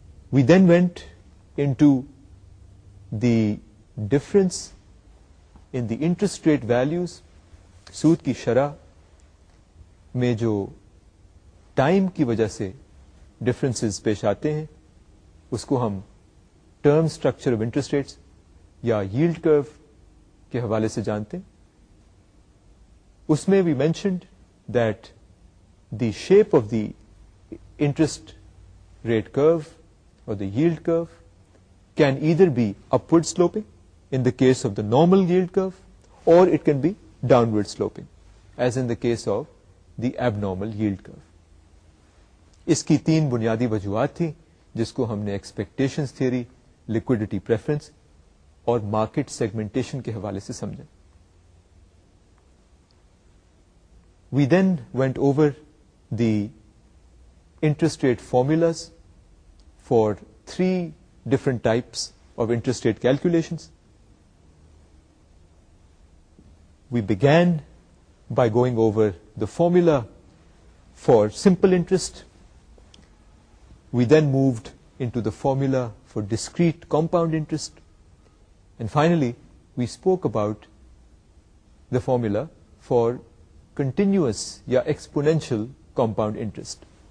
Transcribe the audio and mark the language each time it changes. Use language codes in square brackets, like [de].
[en] We then went into the difference in the interest rate values, [ur] sood ki sharah میں جو time کی وجہ سے ڈفرینسز پیش آتے ہیں اس کو ہم term structure of interest rates یا ییلڈ کرو کے حوالے سے جانتے ہیں. اس میں [en] We mentioned that the shape of the interest rate curve اور the yield curve can either be upward sloping in the case of the normal yield curve or it can be downward sloping as in the case of the abnormal yield curve. [ur] اس کی تین بنیادی وجوہات تھیں جس کو ہم نے ایکسپیکٹیشنز تھیوری, لکوڈیٹی پریفرنس اور مارکیٹ سیگمنٹیشن کے حوالے سے سمجھا. [en] We then went over the interest rate formulas for three different types of interest rate calculations. We begin by going over the formula for simple interest. We then moved into the formula for discrete compound interest. And finally, we spoke about the formula for continuous ya exponential compound interest.